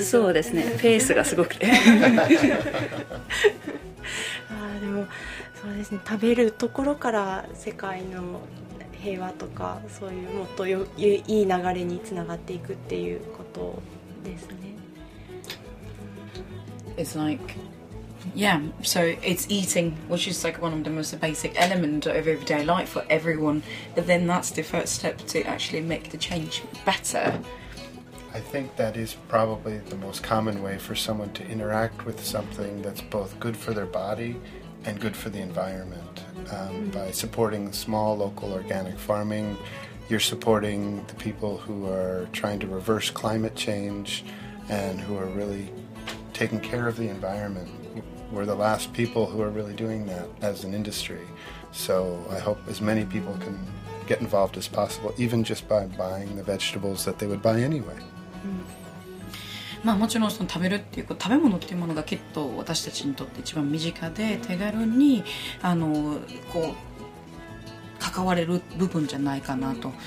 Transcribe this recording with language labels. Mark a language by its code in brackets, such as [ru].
[ja] そうですね、ペースがすごくてあでもそうですね、食べるところから世界の平和とかそういうもっといい流れにつながっていくっていうことですね。 [en] is like, yeah, so it's eating, which is like one of the most basic element of everyday life for everyone. But then that's the first step to actually make the change better. I think that is probably the most common way for someone to interact with something that's both good for their body and good for the environment. By supporting small local organic farming, you're supporting the people who are trying to reverse climate change and who are really taking care of the environment. We're the last people who are really doing that as an industry. So I hope as many people can get involved as possible, even just by buying the vegetables that they would buy anyway. [ja] まあ、もちろんその食べるっていう食べ物っていうものがきっと私たちにとって一番身近で手軽にこう関われる部分じゃないかなと。